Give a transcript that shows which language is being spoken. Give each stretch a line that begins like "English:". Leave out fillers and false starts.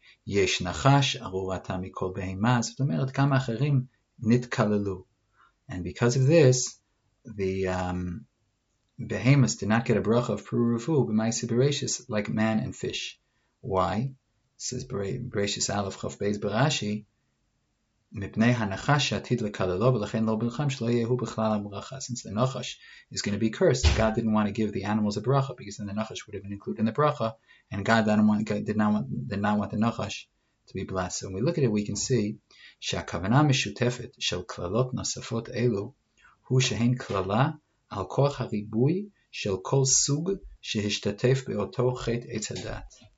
Hebrew: יש נחש, ארורתה מכל בהמה, זאת אומרת, כמה אחרים נתקללו.
English: And because of this, the behemoths did not get a bracha of Peru Ravu, b'maisi b'reishis, like man and fish. Why?
Hebrew: Says b'reishis aleph chof beiz b'rashi, מפני הנחש שעתיד לקללו, ולכן לא בלחם שלא יהיו בכלל הברכה.
English: Since the nachash is going to be cursed, God didn't want to give the animals a bracha, because then the nachash would have been included in the bracha, and God did not want the nachash to be blessed.
Hebrew: So when we look at it, we can see שהכוונה המשותפת של כללות נוספות אלו הוא שהן כללה על כוח הריבוי של כל סוג שהשתתף באותו חטא עץ הדעת.